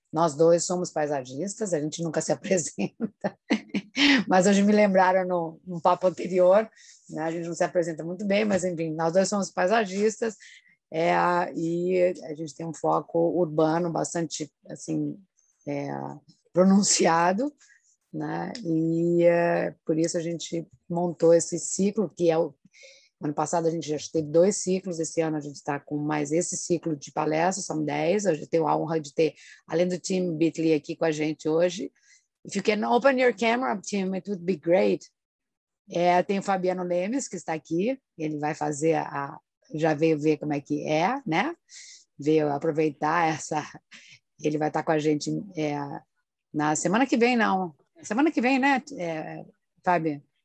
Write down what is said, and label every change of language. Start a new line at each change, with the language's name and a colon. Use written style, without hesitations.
Portuguese: Nós dois somos paisagistas, a gente nunca se apresenta, mas hoje me lembraram no papo anterior, né? A gente não se apresenta muito bem, mas enfim, nós dois somos paisagistas, e a gente tem um foco urbano bastante assim, pronunciado, né? E por isso a gente montou esse ciclo, que é o ano passado a gente já teve dois ciclos, esse ano a gente está com mais esse ciclo de palestras, são 10. Hoje eu tenho a honra de ter, além do Tim Bitley aqui com a gente hoje.
English: If you can open your camera, Tim, it would be great.
Portuguese: Tem o Fabiano Lemes, que está aqui, ele vai fazer já veio ver como é que é, né? Veio aproveitar essa. Ele vai estar com a gente na semana que vem, não. Semana que vem, né, Fábio?